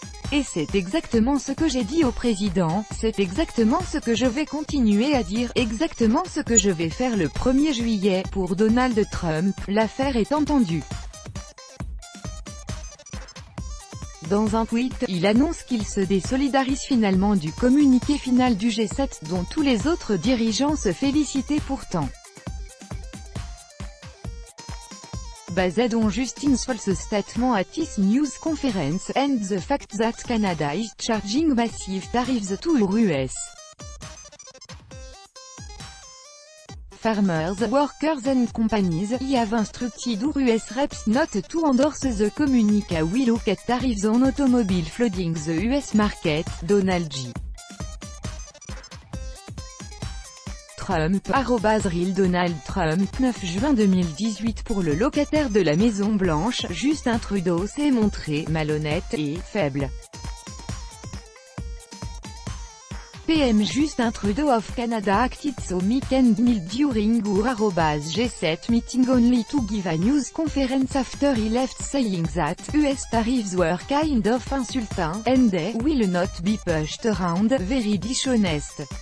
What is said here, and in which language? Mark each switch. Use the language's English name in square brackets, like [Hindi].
[French] Et c'est exactement ce que j'ai dit au président, c'est exactement ce que je vais continuer à dire, exactement ce que je vais faire le 1er juillet, pour Donald Trump, l'affaire est entendue. Dans un tweet, il annonce qu'il se désolidarise finalement du communiqué final du G7, dont tous les autres dirigeants se félicitaient pourtant. [English] Based on Justin's false statement at this news conference, and the fact that Canada is charging massive tariffs to US farmers, workers and companies, I have instructed our US reps not to endorse the communique a we look at tariffs on automobile flooding the US market, Donald G. [French] Trump, @real Donald Trump, 9 juin 2018 pour le locataire de la Maison Blanche, Justin Trudeau s'est montré malhonnête et faible. [English] PM Justin Trudeau of Canada acted so meek-and-mild during our G7 meeting only to give a news conference after he left saying that US tariffs were kind of insulting and they will not be pushed around, very dishonest.